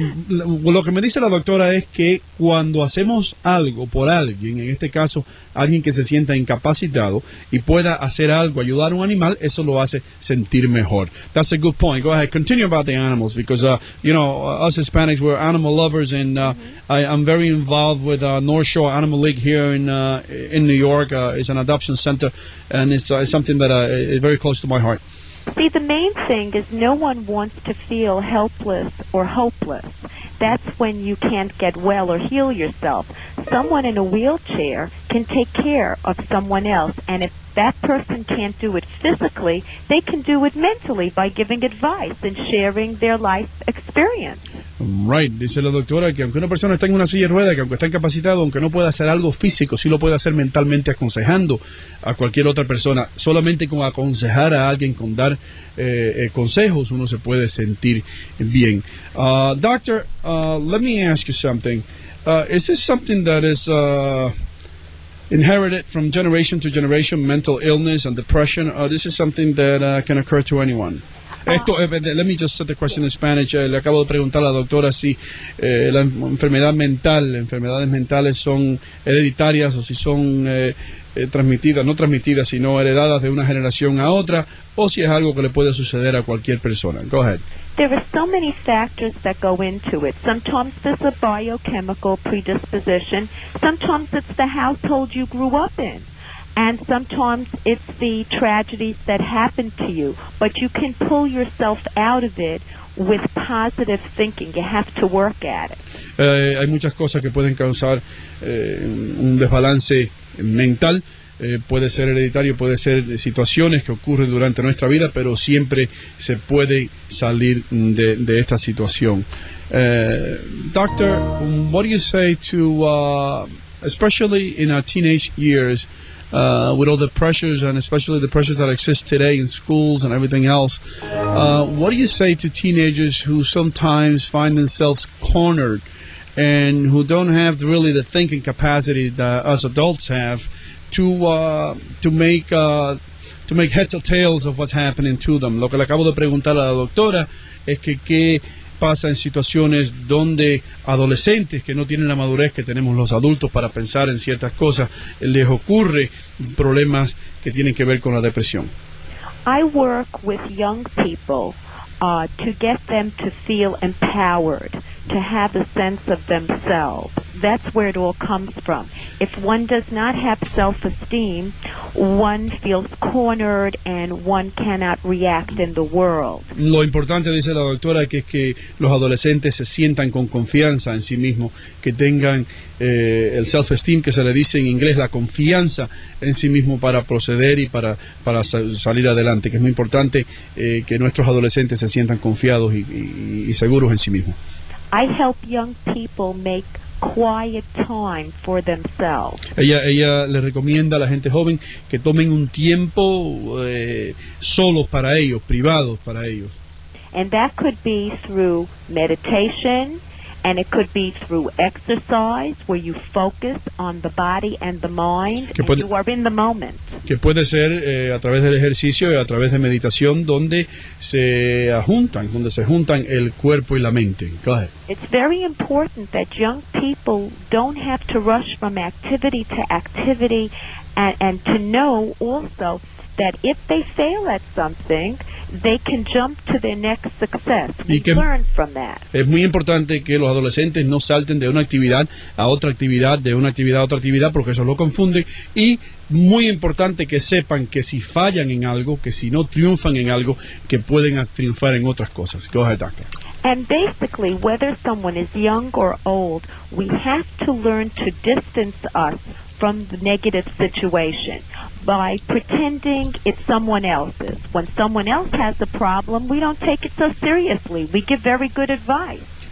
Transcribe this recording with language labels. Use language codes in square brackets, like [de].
[es] Lo que me dice la doctora es que cuando hacemos algo por alguien, en este caso alguien que se sienta incapacitado y pueda hacer algo, ayudar a un animal, eso lo hace sentir mejor. [en] That's a good point. Go ahead, continue about the animals, because you know, us Hispanics, we're animal lovers, and I'm very involved with North Shore Animal League here in New York. It's an adoption center, and it's something that is very close to my heart. See, the main thing is no one wants to feel helpless or hopeless. That's when you can't get well or heal yourself. Someone in a wheelchair can take care of someone else, and if that person can't do it physically, they can do it mentally by giving advice and sharing their life experience. Right. [es] Dice la doctora que aunque una persona está en una silla de ruedas, que aunque está incapacitado, aunque no pueda hacer algo físico, sí lo puede hacer mentalmente, aconsejando a cualquier otra persona. Solamente con aconsejar a alguien, con dar consejos, uno se puede sentir bien. [en] Doctor, let me ask you something. Is this something that is inherited from generation to generation, mental illness and depression? This is something that can occur to anyone. Let me just set the question in Spanish. [es] Le acabo de preguntar a la doctora si la enfermedad mental, enfermedades mentales son hereditarias o si son transmitidas, no transmitidas, sino heredadas de una generación a otra, o si es algo que le puede suceder a cualquier persona. [en] Go ahead. There are so many factors that go into it. Sometimes there's a biochemical predisposition. Sometimes it's the household you grew up in. And sometimes it's the tragedies that happen to you, but you can pull yourself out of it with positive thinking. You have to work at it. [es] Hay muchas cosas que pueden causar un desbalance mental. Puede ser hereditario, puede ser situaciones que ocurren durante nuestra vida, pero siempre se puede salir de esta situación. [en] Doctor, what do you say to, especially in our teenage years, with all the pressures, and especially the pressures that exist today in schools and everything else, what do you say to teenagers who sometimes find themselves cornered and who don't have really the thinking capacity that us adults have to make heads or tails of what's happening to them? [es] Lo que le acabo de preguntar a la doctora es que qué pasa en situaciones donde adolescentes que no tienen la madurez que tenemos los adultos para pensar en ciertas cosas, les ocurre problemas que tienen que ver con la depresión. [en] I work with young people to get them to feel empowered, to have a sense of themselves. That's where it all comes from. If one does not have self-esteem, one feels cornered and one cannot react in the world. [es] Lo importante, dice la doctora, que es que los adolescentes se sientan con confianza en sí mismos, que tengan el self-esteem, que se le dice en inglés, la confianza en sí mismo para proceder y para salir adelante, que es muy importante que nuestros adolescentes se sientan confiados y seguros en sí mismos. [en] I help young people make quiet time for themselves. [es] Ella le recomienda a la gente joven que tomen un tiempo solos para ellos, privados para ellos. [en] And that could be through meditation, And it could be through exercise, where you focus on the body and the mind, [es] puede, [en] and you are in the moment. [es] Que puede ser a través del ejercicio y a través de meditación, donde se juntan, el cuerpo y la mente. [en] Go ahead. It's very important that young people don't have to rush from activity to activity, and to know also that if they fail at something, they can jump to their next success. We learn from that. [es] Es muy importante que los adolescentes no salten de una actividad a otra actividad, de una actividad a otra actividad, porque eso lo confunde. Y muy importante que sepan que si fallan en algo, que si no triunfan en algo, que pueden triunfar en otras cosas. [en] Go ahead, doctor. And basically, whether someone is young or old, we have to learn to distance us from the negative situation by pretending it's someone else's. When someone else has a problem, we don't take it so seriously. We give very good advice.